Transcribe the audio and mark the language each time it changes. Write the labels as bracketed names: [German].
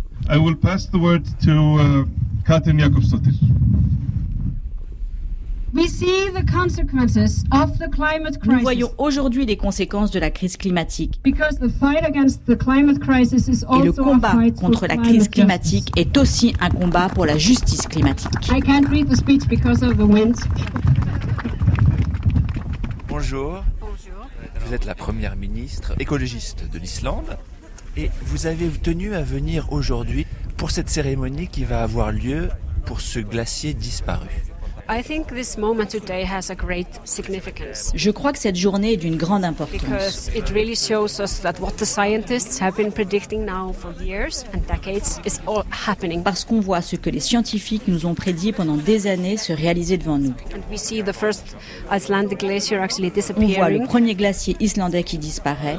[English] I will pass the word to Katrín Jakobsdóttir. We see the consequences of the climate crisis. [French] Nous voyons aujourd'hui les conséquences de la crise climatique. [English] Because the fight against the climate crisis is also [French] et le combat contre la crise climatique est aussi un combat pour la justice climatique. [English] I can't read the speech because of the wind. [French] Bonjour. Vous êtes la première ministre écologiste de l'Islande et vous avez tenu à venir aujourd'hui pour cette cérémonie qui va avoir lieu pour ce glacier disparu. [English] I think this moment today has a great significance. [French] Je crois que cette journée est d'une grande importance. [English] Because it really shows us that what the scientists have been predicting now for years and decades is all happening. [French] Parce qu'on voit ce que les scientifiques nous ont prédit pendant des années se réaliser devant nous. [English] And we see the first Icelandic glacier actually disappearing. [French] On voit le premier glacier islandais qui disparaît.